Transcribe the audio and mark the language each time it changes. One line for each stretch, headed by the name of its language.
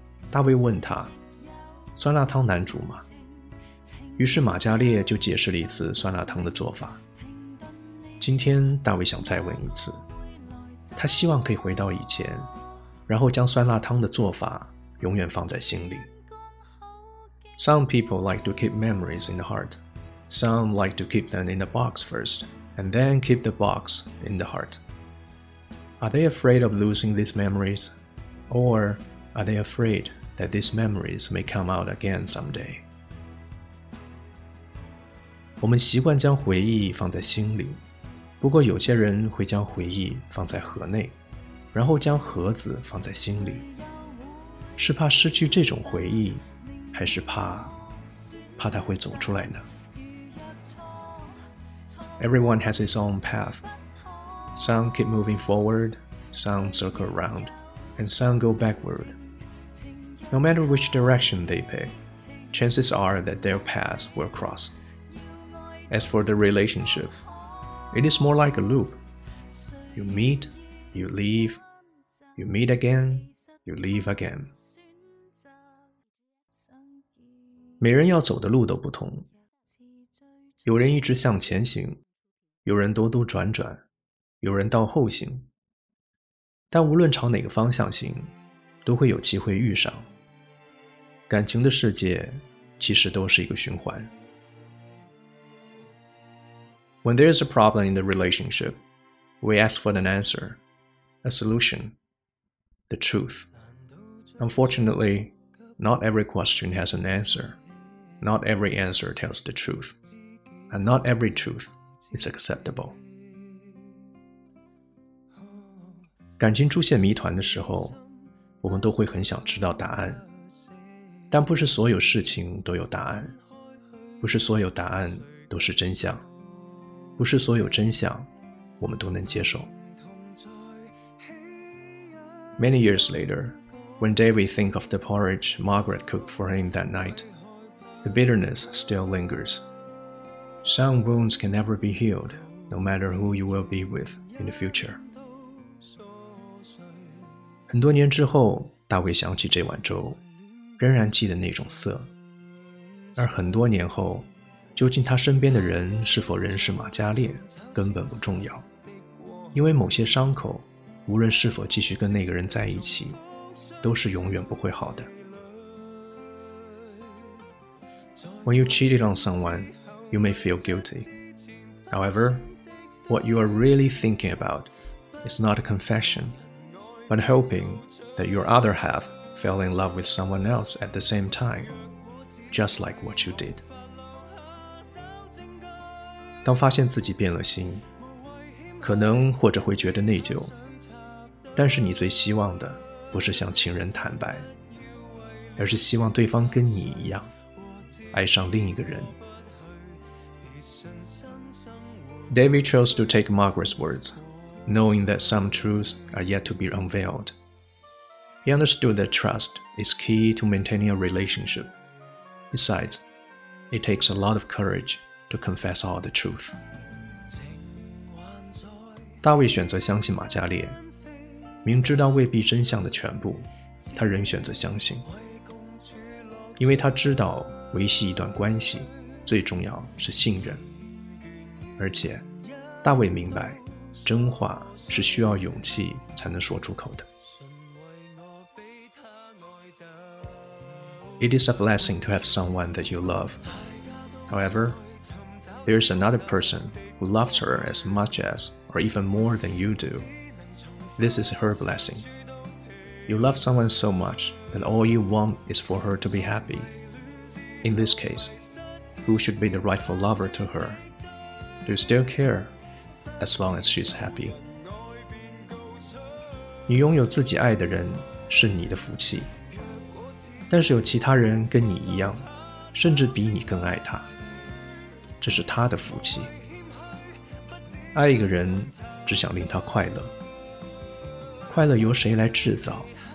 Chinese: 大卫问他，酸辣汤难煮吗？于是玛嘉莉就解释了一次酸辣汤的做法。今天大卫想再问一次，他希望可以回到以前，然后将酸辣汤的做法永远放在心里。
English: Some people like to keep memories in the heart. Some like to keep them in the box first, and then keep the box in the heart. Are they afraid of losing these memories? Or are they afraid that these memories may come out again someday?
Chinese: 我们习惯将回忆放在心里，不过有些人会将回忆放在盒内，然后将盒子放在心里。是怕失去这种回忆，还是怕它会走出来呢？
English: Everyone has his own path. Some keep moving forward, some circle around, and some go backward. No matter which direction they pick, chances are that their paths will cross. As for the relationship, it is more like a loop. You meet, you leave, you meet again, you leave again.
Chinese: 每人要走的路都不同，有人一直向前行，有人兜兜转转，有人到后行，但无论朝哪个方向行，都会有机会遇上。感情的世界其实都是一个循环。
English: When there is a problem in the relationship, we ask for an answer, a solution, the truth. Unfortunately, not every question has an answerNot every answer tells the truth, and not every truth is acceptable.
Chinese: 感情出现谜团的时候，我们都会很想知道答案，但不是所有事情都有答案，不是所有答案都是真相，不是所有真相我们都能接受。
English: Many years later, when David thinks of the porridge Margaret cooked for him that night,The bitterness still lingers. Some wounds can never be healed, no matter who you will be with in the future.
Chinese: 很多年之后，大卫想起这碗粥，仍然记得那种色。而很多年后，究竟他身边的人是否仍是玛嘉烈，根本不重要。因为某些伤口，无论是否继续跟那个人在一起，都是永远不会好的。
English: When you cheated on someone, you may feel guilty. However, what you are really thinking about is not a confession, but hoping that your other half fell in love with someone else at the same time, just like what you did.
Chinese: 当发现自己变了心，可能或者会觉得内疚，但是你最希望的不是向情人坦白，而是希望对方跟你一样爱上另一个人。
English: David chose to take Margaret's words, knowing that some truths are yet to be unveiled. He understood that trust is key to maintaining a relationship. Besides, it takes a lot of courage to confess all the truth.
Chinese: 大卫选择相信玛嘉烈，明知道未必真相的全部，他仍选择相信，因为他知道维系一段关系最重要是信任，而且大卫明白真话是需要勇气才能说出口的。
English: it is a blessing to have someone that you love. However, there is another person who loves her as much as or even more than you do. This is her blessing. You love someone so much that all you want is for her to be happy. In this case, who should be the rightful lover to her? Do you still care as long as she's happy?
Chinese: 你拥有自己爱的人是你的福气，但是有其他人跟你一样，甚至比你更爱他，这是他的福气。爱一个人只想令他快乐，快乐由谁来制造？